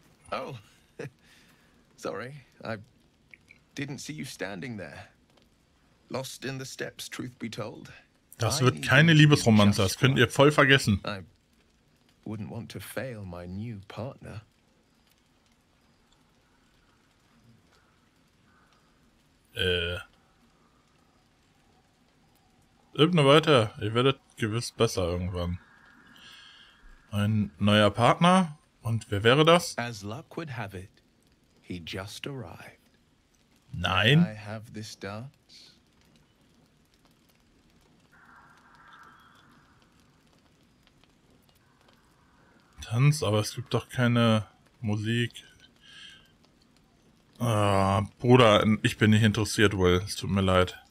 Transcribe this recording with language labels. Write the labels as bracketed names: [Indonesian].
[English] Oh, sorry, I didn't see you standing there. Lost in the steps, truth be told. [German] Das wird keine Liebesromanze, das könnt ihr voll vergessen. [English] I wouldn't want to fail my new partner. [German] Übt nur weiter, ihr werdet gewiss besser irgendwann. Ein neuer Partner? Und wer wäre das? [English] As luck would have it, he just arrived. [German] Nein. [English] I have this dance. [German] Tanz, aber es gibt doch keine Musik. Bruder, ich bin nicht interessiert, Will. Es tut mir leid.